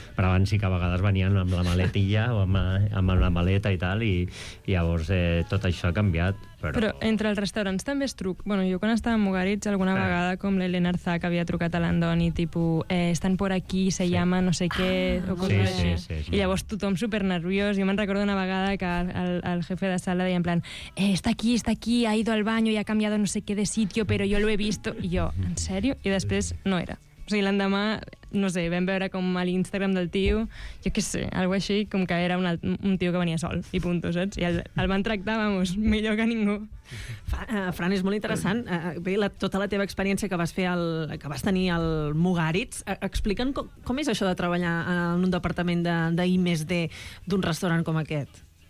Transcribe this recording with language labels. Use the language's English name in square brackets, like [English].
[Catalan] Però abans sí que a vegades venien amb la maletilla o amb la maleta i tal, i llavors tot això ha canviat. Però entre els restaurants també és truc. Bueno, jo quan estava a Mugaritz, alguna vegada, com l'Helena Arzà, que havia trucat a l'Andoni, tipus, estan [Spanish] por aquí, se llama no sé [Catalan] què, o cosa així. Sí. I llavors tothom supernerviós. Jo me'n recordo una vegada que el jefe de sala deia en plan, està aquí, [Spanish] ha ido al baño y ha cambiado no sé qué de sitio, pero yo lo he visto. [Catalan] I jo, en sèrio? I després no era. O sigui, l'endemà, no sé, vam veure com a l'Instagram del tio, jo què sé, algo així, com que era un tio que venia sol, i punto, saps? I el van tractar, vamos, millor que ningú. Fran, és molt interessant. Bé, tota la teva experiència que vas tenir al Mugaritz, explica'm com és això de treballar en un departament d'I+D d'un restaurant com aquest.